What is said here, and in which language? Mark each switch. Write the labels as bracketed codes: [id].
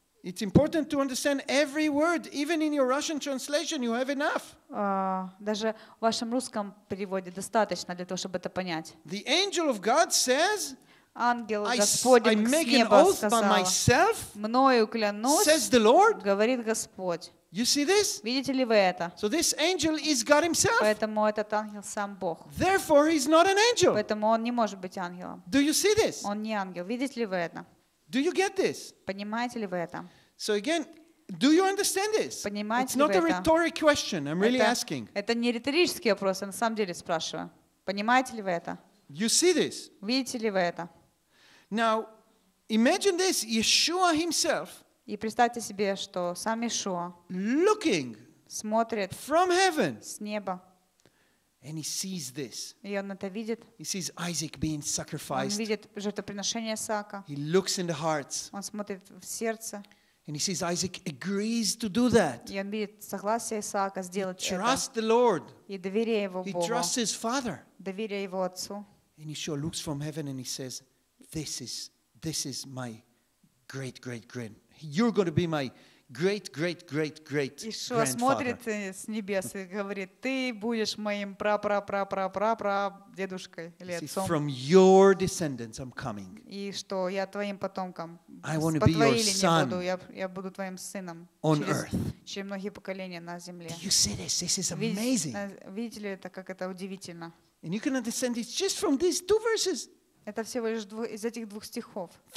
[en] It's important to understand every word, even in your Russian translation, you have enough. [ru] Даже в вашем русском переводе достаточно для того, чтобы это понять. [en] The angel of God says, [ru] Ангел Господень с неба сказал, [en] I make an oath by myself, [ru] мною клянусь, [en] says the Lord, [ru] говорит Господь. [en] You see this? [ru] Видите ли вы это? [en] So this angel is God himself. [ru] Поэтому этот ангел сам Бог. [en] Therefore, he's not an angel. [ru] Поэтому он не может быть ангелом. [en] Do you see this? [ru] Он не ангел. Видите ли вы это? [en] Do you get this? [ru] Понимаете ли вы это? [en] So again, do you understand this? [ru] Понимаете ли вы это? [en] It's not a rhetoric question. I'm really asking. [ru] Это не риторический вопрос. Я на самом деле спрашиваю. Понимаете ли вы это? [en] You see this? [ru] Видите ли вы это? [en] Now, imagine this. Yeshua himself. [ru] И представьте себе, что сам Иешуа [en] looking [ru] смотрит [en] from heaven [ru] с неба. [en] And he sees this. [ru] И он это видит. [en] He sees Isaac being sacrificed. [ru] Он видит жертвоприношение Исаака. [en] He looks in the hearts. [ru] Он смотрит в сердце. [en] And he sees Isaac agrees to do that. [ru] И он видит согласие Исаака сделать это. [en] Trust the Lord. [ru] И доверие его Богу. [en] He trusts his father. [ru] Доверие его отцу. [en] And Иешуа looks from heaven and he says, "This is my great great grand. You're going to be my great great great great grandfather." [ru] Иешуа смотрит с небес и говорит: "Ты будешь моим пра-пра-пра-пра-пра-пра дедушкой или отцом." [en] From your descendants I'm coming. [ru] И что я твоим потомком? [en] I want to be your son. [ru] Я буду твоим сыном. [en] On earth. [ru] Через многие поколения на земле. [en] You see this? This is amazing. [ru] Видите ли это, как это удивительно? [en] And you can understand this just from these two verses. [ru] Это всего лишь из этих двух стихов.